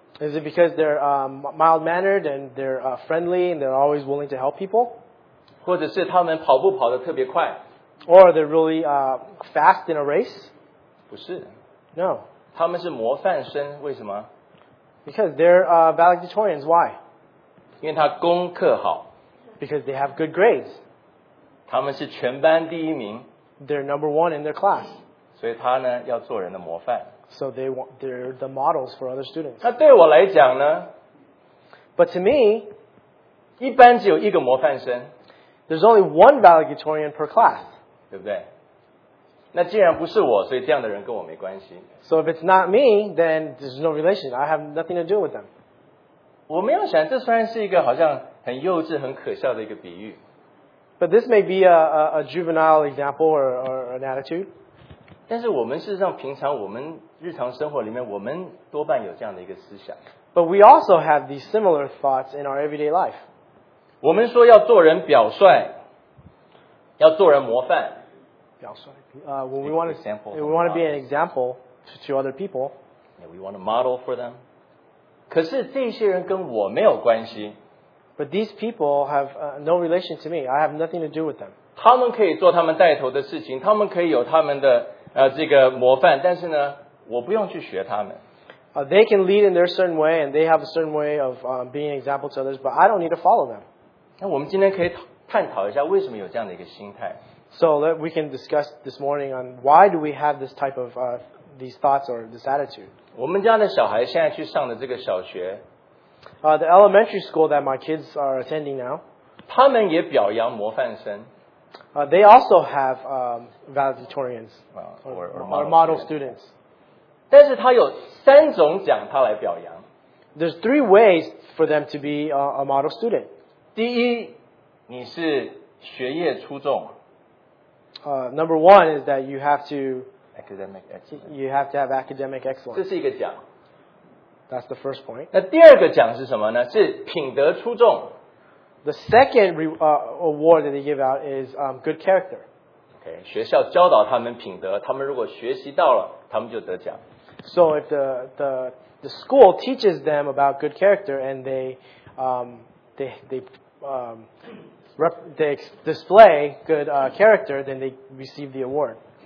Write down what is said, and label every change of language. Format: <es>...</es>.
<en>Is it because they're mild-mannered and they're friendly and they're always willing to help people?</en> <zh>或者是他们跑步跑得特别快?</zh> <en>Or they're really fast in a race?</en> <zh>不是。</zh> <en>No.</en> <zh>他们是模范生,为什么?</zh> <en>Because they're valedictorians, why?</en> <zh>因为他功课好。</zh> <en>Because they have good grades.</en> <zh>他们是全班第一名。</zh> <en>They're number one in their class.</en> <zh>所以他呢,要做人的模范。</zh> <en>So they're the models for other students.</en> <zh>那对我来讲呢?</zh> <en>But to me,</en> <zh>一般只有一个模范生。</zh> <en>There's only one valedictorian per class.</en> <zh>对不对? 那既然不是我,所以这样的人跟我没关系。</zh> <en>So if it's not me, then there's no relation. I have nothing to do with them.</en> <zh>我没有想,这虽然是一个好像很幼稚,很可笑的一个比喻。</zh> <en>But this may be a juvenile example or an attitude.</en> <zh>但是我们事实上平常我们日常生活里面我们多半有这样的一个思想。</zh> <en>But we also have these similar thoughts in our everyday life.</en> <zh>我们说要做人表率，要做人模范。表率。</zh> <en>We want to be an example to other people. Yeah, we want to model for them.</en> <zh>可是这些人跟我没有关系。</zh> <en>But these people have no relation to me. I have nothing to do with them.</en> <zh>他们可以做他们带头的事情，他们可以有他们的这个模范，但是呢，我不用去学他们。</zh> <en>They can lead in their certain way, and they have a certain way of being an example to others, but I don't need to follow them.</en> <zh>那我们今天可以探讨一下为什么有这样的一个心态。</zh> <en>So we can discuss this morning on why do we have this type of these thoughts or this attitude.</en> <zh>我们家的小孩现在去上的这个小学。</zh> <en>The elementary school that my kids are attending now.</en> <zh>他们也表扬模范生。</zh> <en>They also have valedictorians or model students.</en> <zh>但是他有三种奖他来表扬。</zh> <en>There's three ways for them to be a model student.</en> <zh>第一，你是学业出众。</zh> <en>Number one is that you have to academic excellence. You have to have academic excellence.</en> <zh>这是一个奖。</zh> <en>That's the first point.</en> <zh>那第二个奖是什么呢？是品德出众。</zh> <en>The second award that they give out is good character.</en> <zh>Okay, 学校教导他们品德，他们如果学习到了，他们就得奖。</zh> <en>So if the school teaches them about good character and they display good character, then they receive the award.</en>